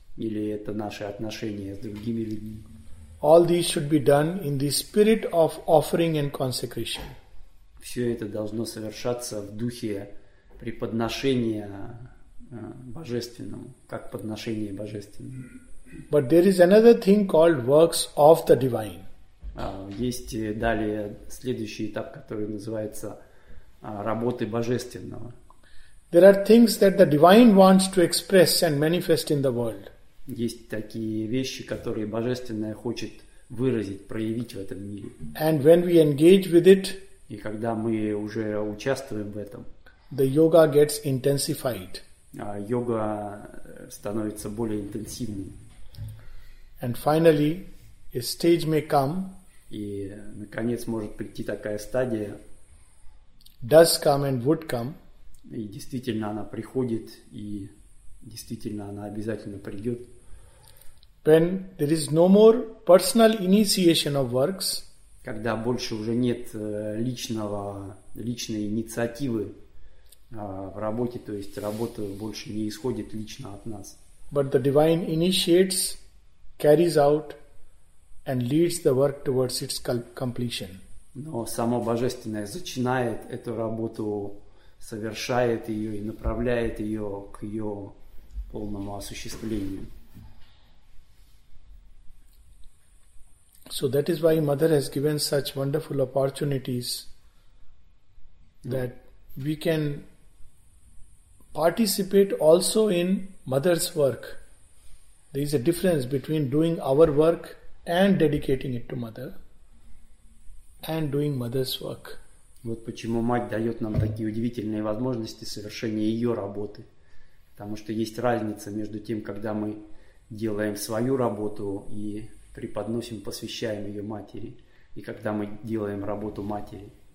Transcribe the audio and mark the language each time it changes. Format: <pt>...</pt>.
<ru>Или это наши отношения с другими людьми.</ru> <en>All these should be done in the spirit of offering and consecration.</en> <ru>Все это должно совершаться в духе преподношения божественному, как подношение божественному.</ru> <en>But there is another thing called works of the divine.</en> <ru>Есть далее следующий этап, который называется работы божественного.</ru> <en>There are things that the divine wants to express and manifest in the world.</en> <ru>Есть такие вещи, которые божественное хочет выразить, проявить в этом мире.</ru> <en>And when we engage with it,</en> <ru>и когда мы уже участвуем в этом,</ru> <en>the yoga gets intensified.</en> <ru>Йога становится более интенсивной.</ru> <en>And finally, a stage may come.</en> <ru>И наконец может прийти такая стадия.</ru> <en>Does come and would come.</en> <ru>И действительно она приходит, и действительно она обязательно придет.</ru> <en>When there is no more personal initiation of works.</en> <ru>Когда больше уже нет личной инициативы в работе, то есть работа больше не исходит лично от нас.</ru> <en>But the divine initiates, carries out, and leads the work towards its completion.</en> <ru>Но само божественное начинает эту работу, совершает ее и направляет ее к ее полному осуществлению.</ru> <en>So that is why Mother has given such wonderful opportunities that we can participate also in Mother's work. There is a difference between doing our work and dedicating it to Mother and doing Mother's work.</en> <ru>Вот почему Мать дает нам такие удивительные возможности совершения ее работы. Потому что есть разница между тем, когда мы делаем свою работу и преподносим, посвящаем ее Матери, и когда мы делаем работу Матери.</ru>